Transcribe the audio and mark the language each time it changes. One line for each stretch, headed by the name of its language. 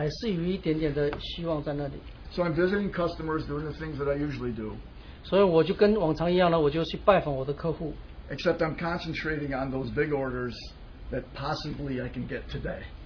Chinese: 在那天到了之前呢，我知道呢，我跟我的目标呢差得太远了，但是呢，我几乎没有什么希望，但是我觉得呢，我还是有一点点的希望在那里。
English: So I'm visiting customers, doing the things that I usually do.
Chinese: 所以我就跟往常一样呢，我就去拜访我的客户。
English: Except I'm concentrating on those big orders that possibly I can get today.